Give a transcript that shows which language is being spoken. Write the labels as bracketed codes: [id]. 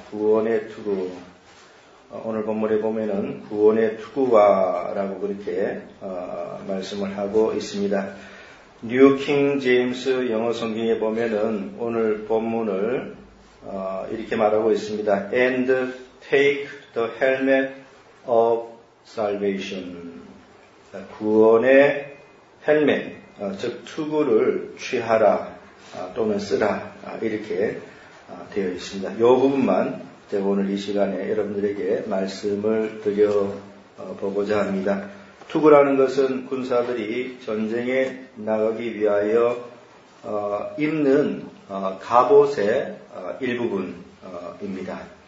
[ko] 구원의 투구. 오늘 본문에 보면은 구원의 투구와라고 그렇게 말씀을 하고 있습니다. 뉴 킹 제임스 영어 성경에 보면은 오늘 본문을 이렇게 말하고 있습니다. [en] And take the helmet of salvation. [ko] 구원의 헬멧, 즉 투구를 취하라 또는 쓰라 이렇게 되어 있습니다. 이 부분만 제가 오늘 이 시간에 여러분들에게 말씀을 드려보고자 합니다. 투구라는 것은 군사들이 전쟁에 나가기 위하여 입는 갑옷의 일부분입니다.